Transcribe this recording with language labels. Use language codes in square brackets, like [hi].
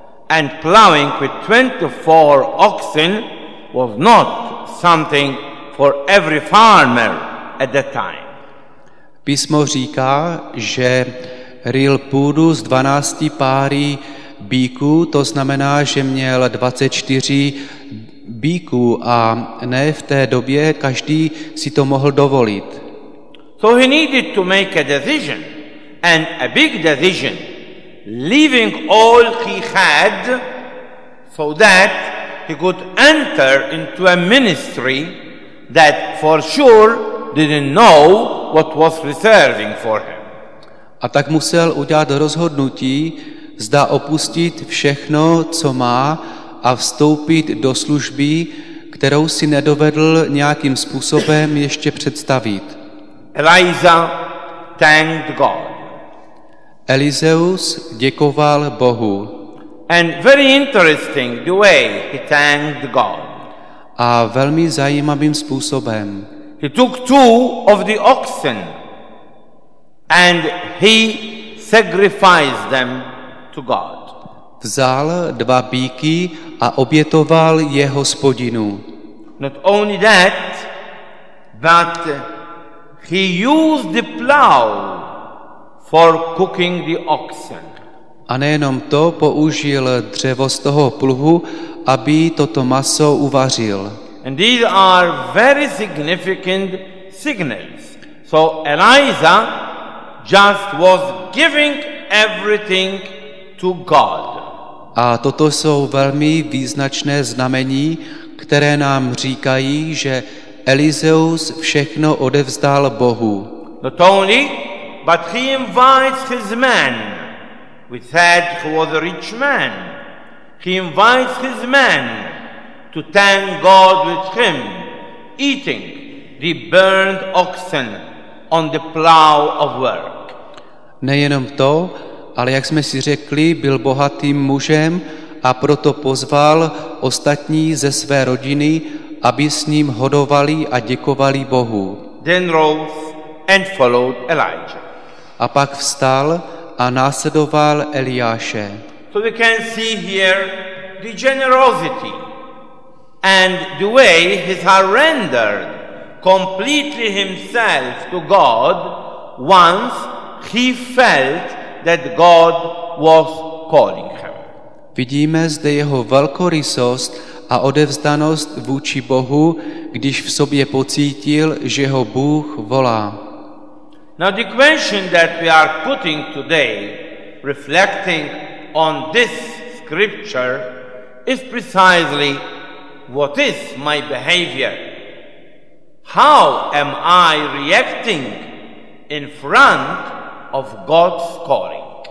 [en] And plowing with 24 oxen was not something for every farmer at that time. [cs] Písmo říká, že ril půdu z 12 páry bíků, to znamená, že měl 24 bíků a ne v té době každý si to mohl dovolit. [en] So he needed to make a decision, and a big decision. Leaving all he had so that he could enter into a ministry that for sure didn't know what was reserving for him. [cs] A tak musel udělat rozhodnutí, zda opustit všechno, co má, a vstoupit do služby, kterou si nedovedl nějakým způsobem ještě představit. [en] Eliza thanked God. [cs] Elizeus děkoval Bohu. [en] And very interesting the way he thanked God. [cs] A velmi zajímavým způsobem. [en] He took two of the oxen and he sacrificed them to God. [cs] Vzal dva bíky a obětoval je Hospodinu. [en] Not only that, but he used the plow for cooking the oxen. [cs] A nejenom to, použil dřevo z toho pluhu, aby toto maso uvařil. [en] And these are very significant signals. So Eliza just was giving everything to God. [cs] A toto jsou velmi význačné znamení, které nám říkají, že Elizeus všechno odevzdal Bohu. [en] Not only, but he invites his men. We said he was a rich man. He invites his men to thank God with him, eating the burnt oxen on the plow of work. [cs] Nejenom to, ale jak jsme si řekli, byl bohatým mužem a proto pozval ostatní ze své rodiny, aby s ním hodovali a děkovali Bohu. [en] Then rose and followed Elijah. [cs] A pak vstal a následoval Eliáše. [en] So we can see here the generosity and the way he surrendered completely himself to God once he felt that God was calling him. [cs] Vidíme zde jeho velkorysost a odevzdanost vůči Bohu, když v sobě pocítil, že ho Bůh volá. [en] Now the question that we are putting today, reflecting on this scripture, is precisely, what is my behavior? How am I reacting in front of God's calling?